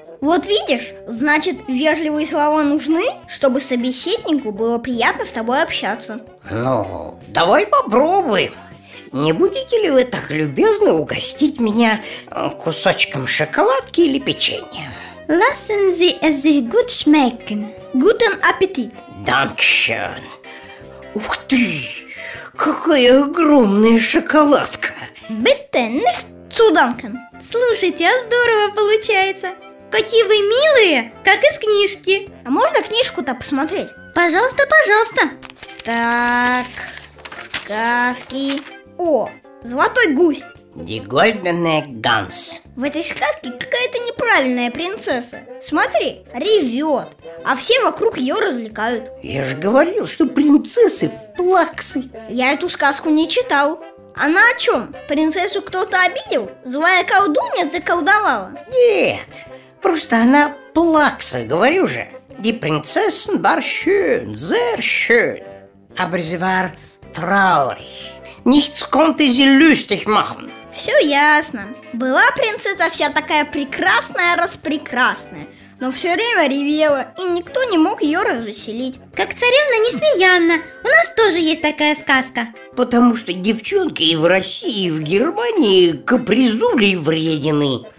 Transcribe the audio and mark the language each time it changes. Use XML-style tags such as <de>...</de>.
<ru>Вот видишь, значит, вежливые слова нужны, чтобы собеседнику было приятно с тобой общаться. Ну, давай попробуем. Не будете ли вы так любезны угостить меня кусочком шоколадки или печенья?</ru> <de>Lassen Sie es sich gut schmecken. Guten Appetit. Dankeschön.</de> <ru>Ух ты, какая огромная шоколадка.</ru> <de>Bitte nicht zu danken.</de> <ru>Слушайте, а здорово получается. Какие вы милые, как из книжки. А можно книжку-то посмотреть? Пожалуйста, пожалуйста. Так, сказки. О, золотой гусь.</ru> <de>Die goldene Gans.</de> <ru>В этой сказке какая-то неправильная принцесса. Смотри, ревет, а все вокруг ее развлекают. Я же говорил, что принцессы плаксы. Я эту сказку не читал. Она о чем? Принцессу кто-то обидел? Злая колдунья заколдовала? Нет, просто она плакса, говорю же.</ru> <de>Die Prinzessin war schön, sehr schön. Aber sie war traurig. Nichts konnte sie lustig machen.</de> <ru>Все ясно. Была принцесса вся такая прекрасная, распрекрасная, но все время ревела, и никто не мог ее развеселить. Как царевна Несмеянна. У нас тоже есть такая сказка. Потому что девчонки и в России, и в Германии капризули и вредины.</ru>